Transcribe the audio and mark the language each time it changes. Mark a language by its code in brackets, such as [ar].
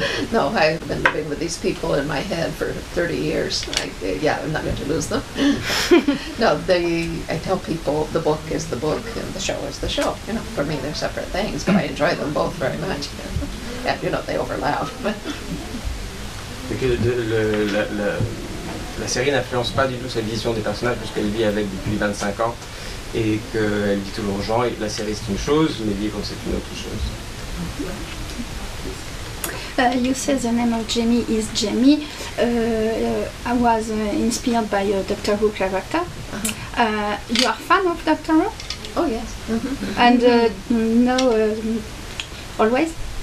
[en] No, I've been living with these people in my head for 30 years. I'm not going to lose them. No, I tell people the book is the book and the show is the show. You know, for me they're separate things, but I enjoy them both very much. Yeah, you know, they overlap. [fr] C'est que la série n'influence pas du tout sa vision des personnages puisqu'elle vit avec depuis 25 ans et qu'elle dit toujours aux gens et la série c'est une chose, mais vivre c'est une autre chose. [en] You say the name of Jamie is Jamie. I was inspired by your Doctor Who character. Uh-huh. You are fan of Doctor Who? Oh yes. Mm-hmm. And now always?